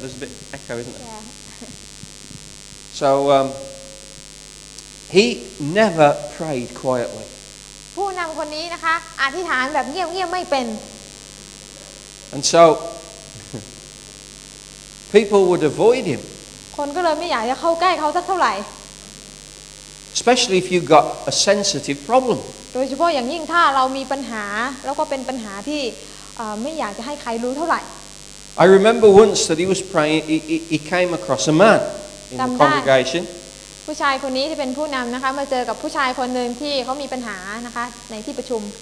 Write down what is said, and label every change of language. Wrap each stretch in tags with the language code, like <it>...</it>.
<en>There's a bit of echo, isn't it? Yeah. So he never prayed quietly.</en> <th>ผู้นำคนนี้นะคะอธิษฐานแบบเงียบๆไม่เป็น</th> <en>And so, people would avoid him.</en> <th>คนก็เลยไม่อยากจะเข้าใกล้เขาสักเท่าไหร่</th> <en>Especially if you got a sensitive problem.</en> <th>โดยเฉพาะอย่างยิ่งถ้าเรามีปัญหาแล้วก็เป็นปัญหาที่ไม่อยากจะให้ใครรู้เท่าไหร่</th> <en>I remember once that he was praying. He came across a man in the congregation.</en> <th>ผู้ชายคนนี้ที่เป็นผู้นำนะคะมาเจอกับผู้ชายคนนึงที่เขามีปัญหานะคะในที่ประชุม</th>